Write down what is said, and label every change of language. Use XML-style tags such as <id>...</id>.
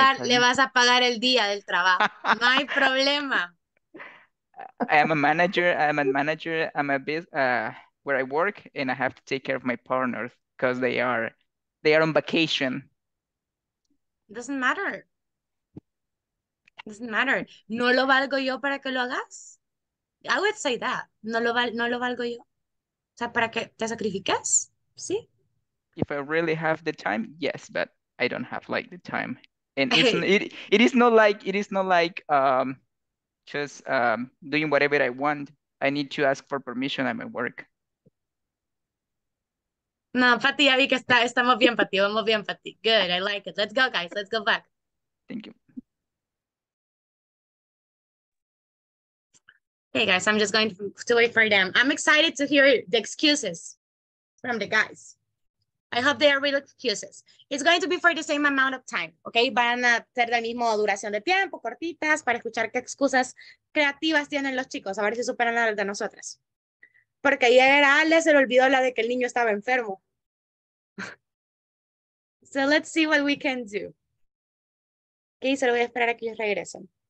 <es>Le vas a pagar el día del trabajo. No hay problema.</es> <en>I am a manager. I'm a business where I work, and I have to take care of my partners because they are on vacation. Doesn't matter.</en> <es>No lo valgo yo para que lo hagas.</es> <en>I would say that.</en> <es>No lo valgo yo. O sea, para que te sacrifiques, ¿sí?</es> <en>If I really have the time, yes, but I don't have like the time, and it is not like doing whatever I want. I need to ask for permission at my work.</en> <es>No, Pati, ya vi que está, estamos bien, Pati. Vamos bien, Pati.</es> <en>Good, I like it. Let's go, guys. Let's go back. Thank you. Hey, guys, I'm just going to wait for them. I'm excited to hear the excuses from the guys. I hope they are real excuses. It's going to be for the same amount of time, okay?</en> <es>Van a ser la misma duración de tiempo, cortitas, para escuchar qué excusas creativas tienen los chicos, a ver si superan las de nosotras. Porque ayer a Ale se le olvidó la de que el niño estaba enfermo.</es> <en>So let's see what we can do.</en> <es>Okay, se lo voy a esperar a que ellos regresen.</es>